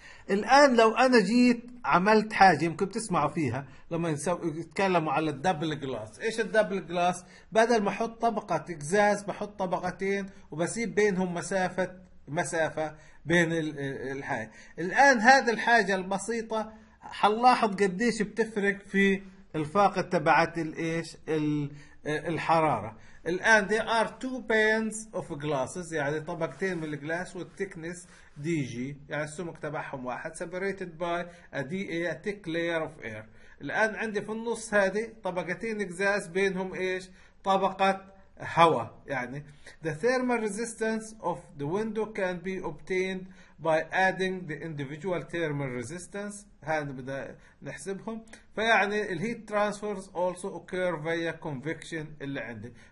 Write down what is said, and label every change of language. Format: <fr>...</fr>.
<ar>الان لو انا جيت عملت حاجه يمكن تسمعوا فيها لما يتكلموا على الدبل جلاس، ايش الدبل جلاس؟ بدل ما احط طبقه اكزاز بحط طبقتين وبسيب بينهم مسافه بين الحاجه. الان هذه الحاجه البسيطه حنلاحظ قديش بتفرق في الفاقد تبعت الايش؟ الحراره. الان</ar> <en>there are two panes of glasses</en> <ar>يعني طبقتين من الجلاس والتكنس دي جي</ar> <en>يعني السمك تبعهم واحد separated by a DA thick layer of air.</en> <ar>الان عندي في النص هذه طبقتين اكزاز بينهم ايش؟ طبقة هواء.</ar> <en>يعني the thermal resistance of the window can be obtained by adding the individual thermal resistance.</en> <ar>هذا بدنا نحسبهم. فيعني</ar> <en>الهيت transfers also occur via convection</en> <ar>اللي عندي.</ar>